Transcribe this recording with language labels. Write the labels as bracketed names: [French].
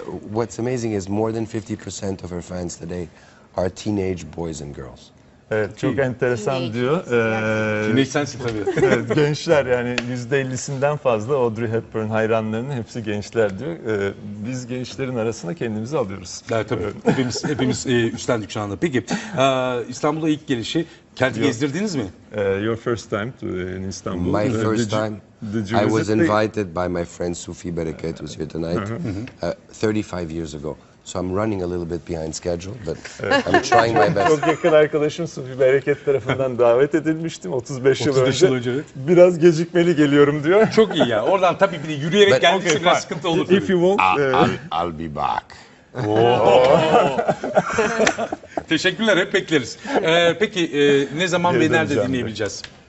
[English] What's amazing is more than 50% of her fans today are teenage boys and girls. [Turkish] Evet, çok enteresan diyor. Teenage tabii. Gençler yani %50'sinden fazla Audrey Hepburn hayranlarının hepsi gençler diyor. Biz gençlerin arasına kendimizi alıyoruz. Evet tabii. hepimiz üstlendik şu anda. Peki İstanbul'a ilk gelişi kendi gezdirdiniz mi? [English] Your first time in Istanbul. My first time. I was invited by my friend Sufi Bereket who's here tonight 35 years ago. So I'm running a little bit behind schedule, but I'm trying my best. [Turkish] Çok yakın arkadaşım Sufi Bereket tarafından davet edilmiştim 35 yıl önce. 35 yıl önce. Biraz gecikmeli geliyorum diyor. Çok iyi ya. Oradan tabii bir yürüyerek geldiğinizde okay, biraz sıkıntı olur. [English] If you won't. I'll be back. [Turkish] Teşekkürler, hep bekleriz. Peki ne zaman ve nerede dinleyebileceğiz?